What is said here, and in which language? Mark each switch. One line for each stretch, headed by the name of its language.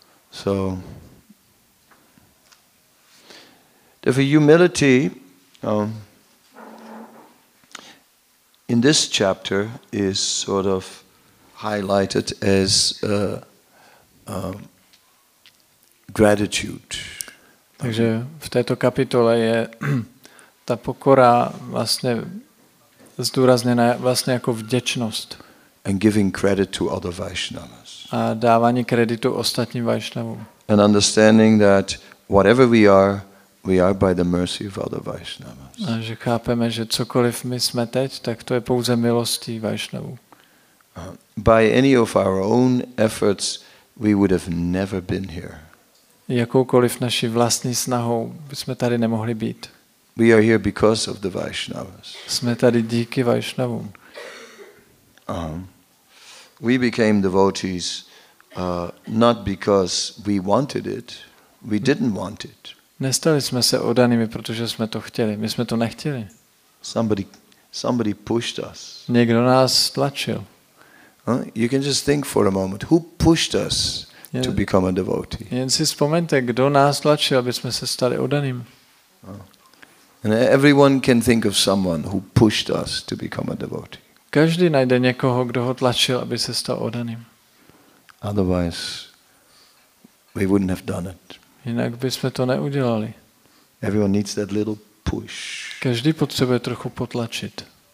English: So, therefore, humility in this chapter is sort of highlighted as gratitude.
Czech: Takže v této kapitole je ta pokora vlastně zdůrazněna vlastně jako vděčnost.
English: And giving credit to other Vaishnavas.
Czech: A dávání kreditu ostatním Vaishnavům.
English: And understanding that whatever we are by the mercy of other Vaishnavas.
Czech: A že chápeme, že cokoliv my jsme teď, tak to je pouze milostí Vaishnavů.
English: By any of our own efforts, we would have never been here.
Czech: Jakoukoliv naši vlastní snahou bychom tady nemohli být.
English: We are here because of the Vaishnavas.
Czech: Jsme tady díky Vaishnavům.
English: We became devotees not because we wanted it. We didn't want it.
Czech: Nestali jsme se oddanými, protože jsme to chtěli. My jsme to nechtěli.
English: Somebody pushed us.
Czech: Někdo nás tlačil.
English: You can just think for a moment, who pushed us to become a devotee?
Czech: Jen si vzpomeňte, kdo nás tlačil, aby jsme se stali oddaným.
English: And everyone can think of someone who pushed us to become a devotee.
Czech: Každý najde někoho, kdo ho tlačil, aby se stal oddaným.
English: Otherwise, we wouldn't have done it.
Czech: Jinak bychom to neudělali.
English: Everyone needs that little push.
Czech: Každý potřebuje trochu potlačit.